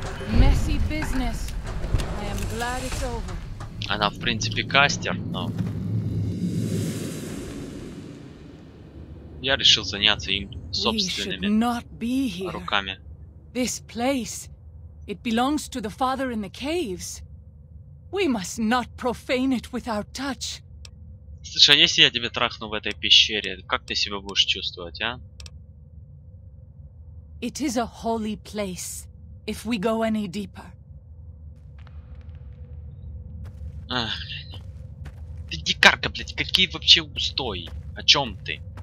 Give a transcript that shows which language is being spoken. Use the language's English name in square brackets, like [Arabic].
[English] Messy business. I am glad it's over. [Russian] Она, в принципе, кастер, но... Я решил заняться им собственными руками. [English] This place, it belongs to the father in the caves. We must not profane it with our touch. [Russian] Слушай, а если я тебя трахну в этой пещере, как ты себя будешь чувствовать, а? [English] It is a holy place, if we go any deeper. [Russian] Ты дикарка, блядь, какие вообще устои? О чем ты?